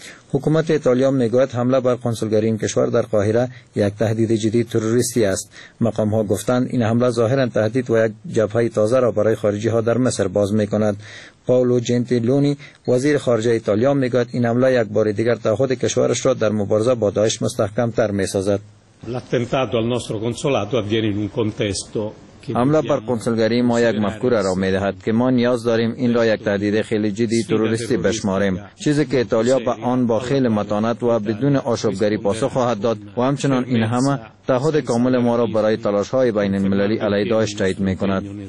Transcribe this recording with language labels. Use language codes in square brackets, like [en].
[fa] حکومت ایتالیا میگوید حمله بر کنسولگری این کشور در قاهره یک تهدید جدید تروریستی است. مقام ها گفتند این حمله ظاهرا تهدید و یک جبهه تازه را برای خارجی ها در مصر باز می کند. پاولو جنتیلونی وزیر خارجه ایتالیا میگوید این حمله یک بار دیگر تعهد کشورش را در مبارزه با داعش مستحکم تر می سازد. [it] L'attentato al nostro consolato avviene in un contesto [fa] حمله بر کنسولگری ما یک مفکوره را می‌دهد که ما نیاز داریم این را یک تهدید خیلی جدی تروریستی بشماریم، چیزی که ایتالیا به آن با خیلی متانت و بدون آشوبگری پاسخ خواهد داد و همچنان این همه تعهد کامل ما را برای تلاش‌های بین‌المللی علیه داعش تایید می‌کند.